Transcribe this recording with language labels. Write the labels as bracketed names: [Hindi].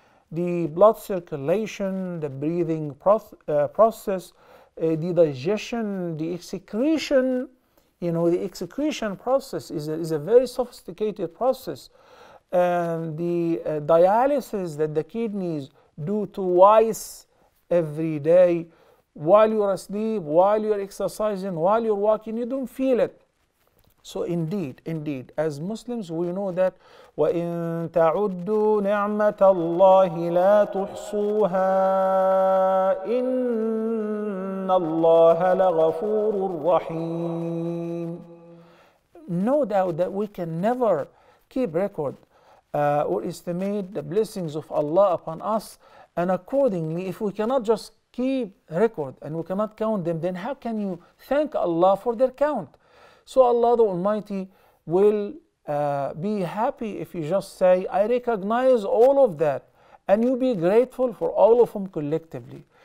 [English] The blood circulation, the breathing process, the digestion, the excretion, you know, the excretion process is a very sophisticated process. And the dialysis that the kidneys do twice every day, while you're asleep, while you're exercising, while you're walking, you don't feel it. So indeed, as Muslims, we know that [Arabic] وَإِن تَعُدُّوا نِعْمَةَ اللَّهِ لَا تُحْصُوهَا إِنَّ اللَّهَ لَغَفُورٌ رَحِيمٌ. [English] No doubt that we can never keep record or estimate the blessings of Allah upon us. And accordingly, if we cannot just keep record and we cannot count them, then how can you thank Allah for their count? So Allah the Almighty will be happy if you just say, I recognize all of that, and you be grateful for all of them collectively.